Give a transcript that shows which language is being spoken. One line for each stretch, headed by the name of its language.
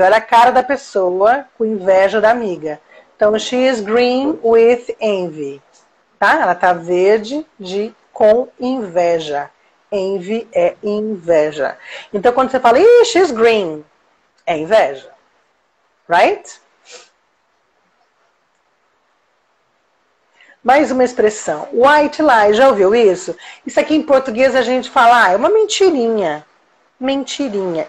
Portuguese: Olha a cara da pessoa com inveja da amiga.
English: Então, she's green with envy.
Portuguese: Tá? Ela tá verde de com inveja. Envy é inveja. Então, quando você fala,
English: she's green,
Portuguese: é inveja. Right? Mais uma expressão, white lie, já ouviu isso? Isso aqui em português a gente fala, ah, é uma mentirinha. Mentirinha.